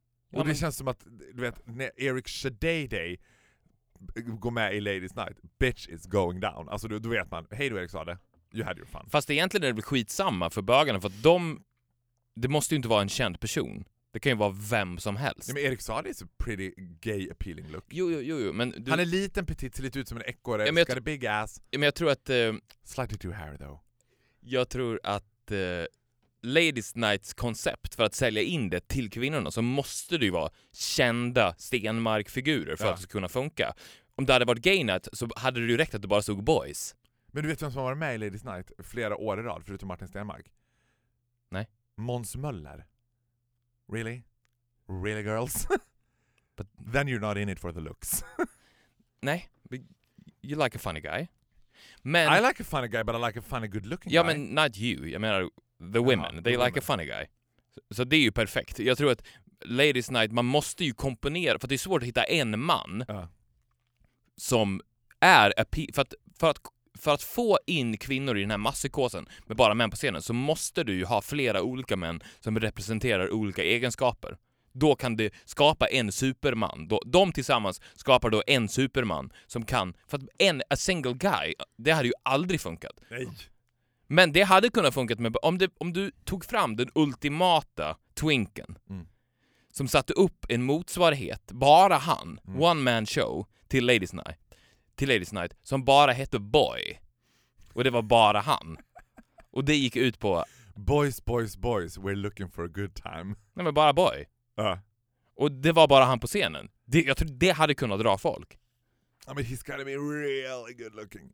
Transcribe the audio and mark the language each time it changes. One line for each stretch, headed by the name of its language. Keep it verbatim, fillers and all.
Swedish: Och ja, men... det känns som att, du vet, när Eric Shadayday går med i ladies night,
English: bitch is going down.
Swedish: Alltså då, då vet man, hej då Eric Sade,
English: you had your fun.
Swedish: Fast egentligen är det väl skitsamma för bögarna, för att de, det måste ju inte vara en känd person. Det kan ju vara vem som helst. Ja, men
English: Eric Sade is a pretty gay appealing look.
Swedish: Jo, jo, jo. jo men du... Han är liten, petit, ser lite ut som en ekorre, ja,
English: got t- a big ass.
Swedish: Ja, men jag tror att... Eh...
English: Slightly too hair though.
Swedish: Jag tror att... Eh... ladies nights koncept för att sälja in det till kvinnorna så måste det ju vara kända Stenmark-figurer för ja. Att det ska kunna funka. Om det hade varit gay night så hade det ju räckt att det bara såg boys. Men du vet vem som var med i Ladies Night flera år i rad, förutom Martin Stenmark? Nej.
English: Måns Möller. Really? Really girls? But then you're not in it for the looks.
Swedish: Nej,
English: you like a funny guy.
Swedish: Men
English: I like a funny guy, but I like a funny good looking
Swedish: ja,
English: guy.
Swedish: Ja, men
English: not you.
Swedish: Jag menar
English: the women.
Swedish: Ja,
English: they the like women. A funny guy.
Swedish: Så, så det är ju perfekt. Jag tror att Ladies Night, man måste ju komponera, för det är svårt att hitta en man ja. Som är appe- för att, för att för att få in kvinnor i den här masspsykosen med bara män på scenen, så måste du ju ha flera olika män som representerar olika egenskaper. Då kan det skapa en superman. Då, de tillsammans skapar då en superman som kan... För att en
English: a single guy,
Swedish: det hade ju aldrig funkat. Nej. Men det hade kunnat funkat med... Om, det, om du tog fram den ultimata twinken mm. som satte upp en motsvarighet, bara han, mm. one man show, till Ladies Night. till Ladies Night, som bara hette Boy. Och det var bara han. Och det gick ut på...
English: Boys, boys, boys, we're looking for a good time.
Swedish: Nej, men bara Boy. Uh. Och det var bara han på scenen. Det, jag tror det hade kunnat dra folk. Ja, men
English: he's gotta be really good looking.